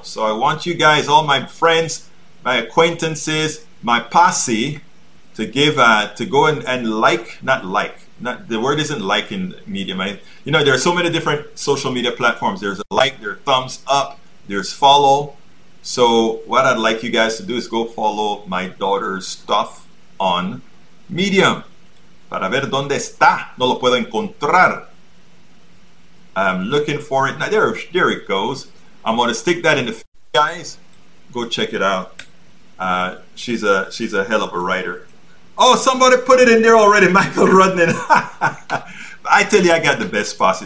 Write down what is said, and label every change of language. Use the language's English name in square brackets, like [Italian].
[English] So I want you guys, all my friends, my acquaintances, my posse, to give to go and like, not like, not the word isn't like in Medium. You know, there are so many different social media platforms. There's a like, there's thumbs up, there's follow. So what I'd like you guys to do is go follow my daughter's stuff on Medium. [Spanish] Para ver dónde está, no lo puedo encontrar. [English] I'm looking for it. Now there it goes. I'm gonna stick that in the guys. Go check it out. She's a hell of a writer. Oh, somebody put it in there already, Michael Rudnin. I tell you, I got the best posse.